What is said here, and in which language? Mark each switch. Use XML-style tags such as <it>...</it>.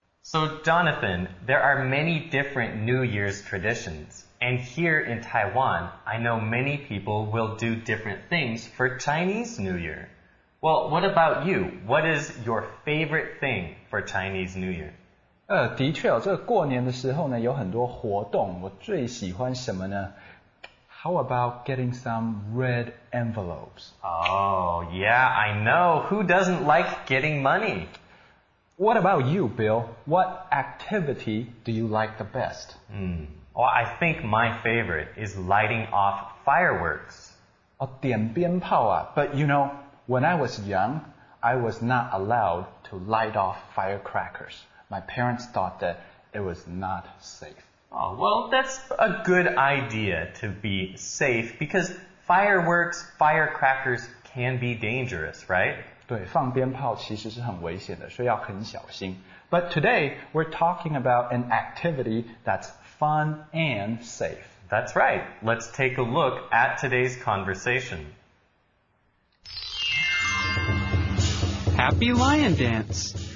<en>So, Jonathan, there are many different New Year's traditions, and here in Taiwan, I know many people will do different things for Chinese New Year. Well, what about you? What is your favorite thing for Chinese New Year?</en> <zh>的确哦，这个过年的时候呢，有很多活动，我最喜欢什么呢？</zh> <en>How about getting some red envelopes? Oh, yeah, I know. Who doesn't like getting money? What about you, Bill? What activity do you like the best? Well, I think my favorite is lighting off fireworks.</en> <zh>点鞭炮啊。</zh> <en>But you know, when I was young, I was not allowed to light off firecrackers. My parents thought that it was not safe. Oh, well, that's a good idea to be safe because fireworks, firecrackers can be dangerous, right?</en> <zh>对，放鞭炮其实是很危险的，所以要很小心。</zh> <en>But today we're talking about an activity that's fun and safe. That's right. Let's take a look at today's conversation. Happy Lion Dance.</en>